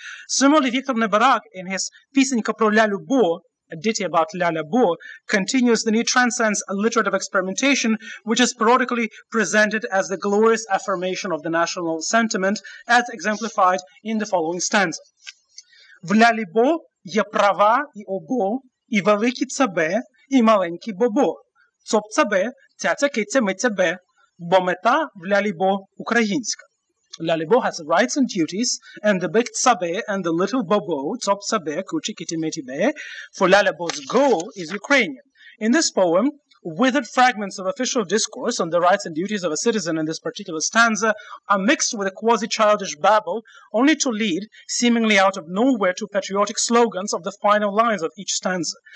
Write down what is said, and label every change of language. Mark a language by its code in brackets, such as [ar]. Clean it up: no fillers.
[en] Similarly, Viktor Nebarak, in his Pisenka pro Lyalyu Bo, a ditty about Lyalya Bo, continues the new transcends alliterative experimentation, which is parodically presented as the glorious affirmation of the national sentiment, as exemplified in the following stanza. [uk] В Лялі Бо є права і обо, і великі цебе, і маленькі бобо. Цоб цебе, цяця киця ми цебе, бо мета в Лялі Бо українська. [en] Lyalya Bo has rights and duties, and the big tsabe and the little bobo, tsop tsabe, kuchi kitimeti be, for Lyalya Bo's goal is Ukrainian. In this poem, withered fragments of official discourse on the rights and duties of a citizen in this particular stanza are mixed with a quasi-childish babble, only to lead, seemingly out of nowhere, to patriotic slogans of the final lines of each stanza.